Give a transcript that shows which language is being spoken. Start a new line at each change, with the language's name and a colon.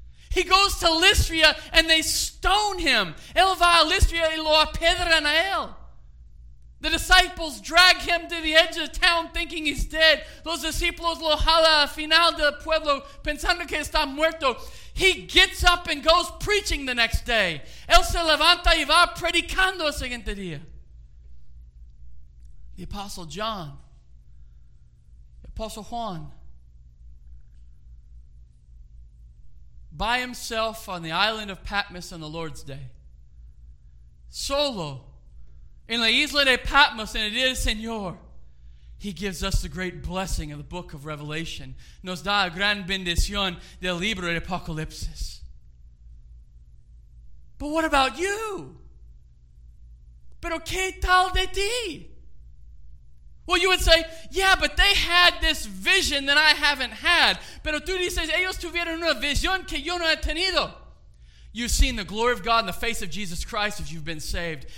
English: He goes to Lystra and they stone him.
Spanish: Él va a Lystra y lo apedran a él.
English: The disciples drag him to the edge of town thinking he's dead.
Spanish: Los discípulos lo jala al final del pueblo pensando que está muerto.
English: He gets up and goes preaching the next day.
Spanish: Él se levanta y va predicando el siguiente día.
English: The Apostle John. The Apostle Juan. By himself on the island of Patmos on the Lord's Day.
Spanish: Solo. In la isla de Patmos, en el día del Señor,
English: he gives us the great blessing of the book of Revelation.
Spanish: Nos da la gran bendición del libro de Apocalipsis.
English: But what about you?
Spanish: Pero qué tal de ti?
English: Well, you would say, yeah, but they had this vision that I haven't had.
Spanish: Pero tú dices, ellos tuvieron una visión que yo no he tenido.
English: You've seen the glory of God in the face of Jesus Christ if you've been saved.